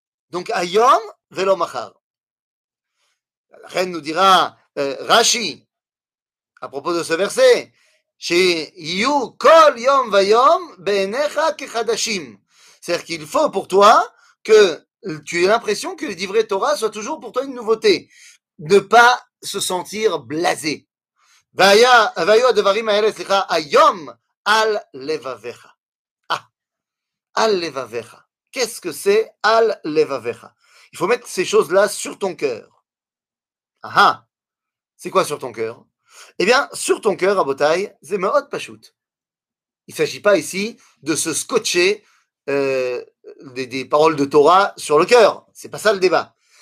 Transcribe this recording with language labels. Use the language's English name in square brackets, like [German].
[French] Donc [Hebrew] hayom, velo machar. [French] La reine nous dira, Rashi, à propos de ce verset, [Hebrew] שיהיו כל יום ויום בעיניך כחדשים. [French] C'est-à-dire qu'il faut pour toi que tu aies l'impression que les divrei Torah soient toujours pour toi une nouveauté. Ne pas se sentir blasé. [Hebrew] והיו הדברים האלה, סליחה, היום על לבביך. Ah, על לבביך. [French] Qu'est-ce que c'est [Hebrew] על לבביך? [French] Il faut mettre ces choses-là sur ton cœur. Aha, c'est quoi sur ton cœur? Eh bien, sur ton cœur, Rabotai, Zemeot Pashut. Il ne s'agit pas ici de se scotcher des paroles de Torah sur le cœur. Ce n'est pas ça le débat.